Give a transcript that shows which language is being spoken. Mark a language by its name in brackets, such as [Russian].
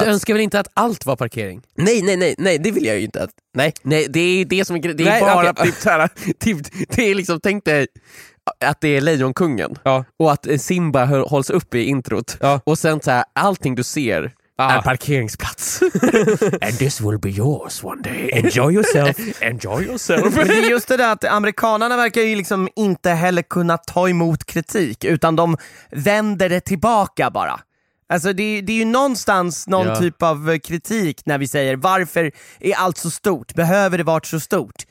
[Swedish] Men du önskar väl inte att allt var parkering? Nej, det vill jag ju inte att. Nej. Nej, det är det som är det är bara typ så här typ det är liksom tänkte att det är Lejonkungen och att Simba hålls upp i introt och sen så här, allting du ser är parkeringsplats. [English] And this will be yours one day. Enjoy yourself. Enjoy yourself. [Swedish] Men det är just det där att amerikanerna verkar ju liksom inte heller kunna ta emot kritik utan de vänder det tillbaka bara. Alltså det är ju någonstans någon typ av kritik när vi säger varför är allt så stort? Behöver det vara så stort?